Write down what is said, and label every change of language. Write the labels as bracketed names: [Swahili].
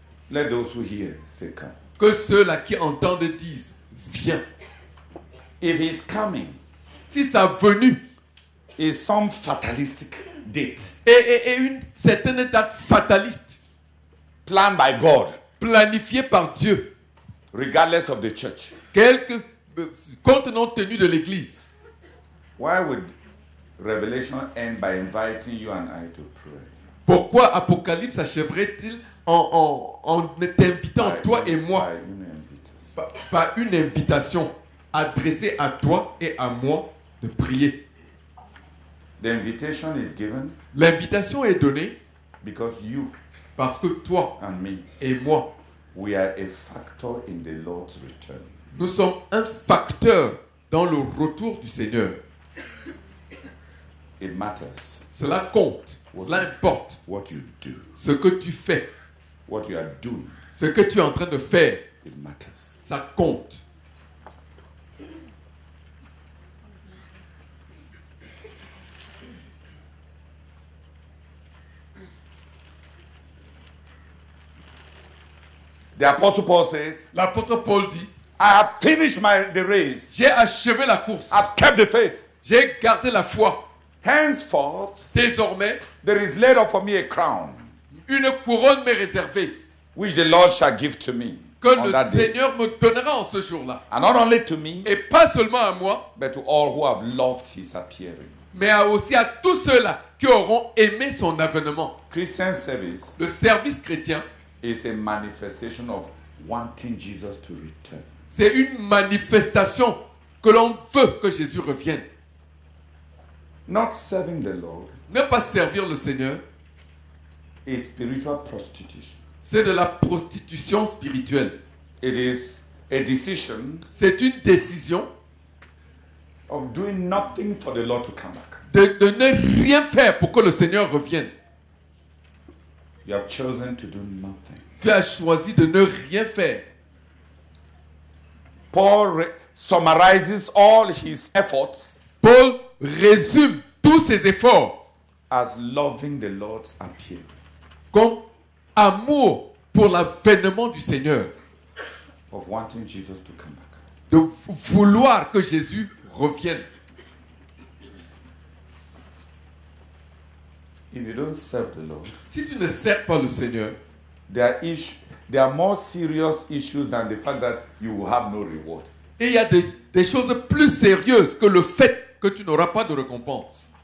[English] Let those who hear say, come. [French] Que ceux-là qui entendent disent, viens. [English] If he's coming, [French] si sa venue [English] is some fatalistic date. [French] Et une certaine date fataliste. [English] Planned by God. [French] Planifiée par Dieu. [English] Regardless of the church. [French] Quelque contenant tenu de l'église. [English] Why would Revelation end by inviting you and I to pray? [French] Pourquoi Apocalypse achèverait-il en t'invitant toi et moi? Par une invitation adressée à toi et à moi de prier. [English] The invitation is given. [French] L'invitation est donnée [English] because you, [French] parce que toi [English] and me, [French] et moi, [English] we are a factor in the Lord's return. [French] Nous sommes un facteur dans le retour du Seigneur. [English] It matters. [French] Cela compte. Cela importe. [English] What you do. [French] Ce que tu fais. [English] What you are doing. [French] Ce que tu es en train de faire. [English] It matters. [French] Ça compte. [English] The Apostle Paul says, [French] l'apôtre Paul dit, [English] I have finished the race. [French] J'ai achevé la course. [English] I've kept the faith. [French] J'ai gardé la foi. [English] Henceforth, [French] désormais, [English] there is laid up for me a crown. [French] Une couronne m'est réservée. [English] Which the Lord shall give to me. [French] Que le Seigneur me donnera en ce jour-là. [English] And not only to me, [French] et pas seulement à moi, [English] but to all who have loved his appearing. [French] Mais aussi à tous ceux-là qui auront aimé son avènement. [English] Christian service. [French] Le service chrétien. [English] Is a manifestation of wanting Jesus to return. [French] C'est une manifestation que l'on veut que Jésus revienne. [English] Not serving the Lord. [French] Ne pas servir le Seigneur. [English] Is spiritual prostitution. [French] C'est de la prostitution spirituelle. [English] It is a decision. [French] C'est une décision. [English] Of doing nothing for the Lord to come back. [French] De ne rien faire pour que le Seigneur revienne. [English] You have chosen to do nothing. [French] Tu as choisi de ne rien faire. [English] Paul summarizes all his efforts. [French] Paul résume tous ses efforts. [English] As loving the Lord's appearing. [French] Comme amour pour l'avènement du Seigneur. [English] Of wanting Jesus to come back. [French] De vouloir que Jésus revienne. [English] If you don't serve the Lord, [French] si tu ne sers pas le Seigneur, [English] there are more serious issues than the fact that you will have no reward. [French] Et il y a des choses plus sérieuses que le fait que tu n'auras pas de récompense.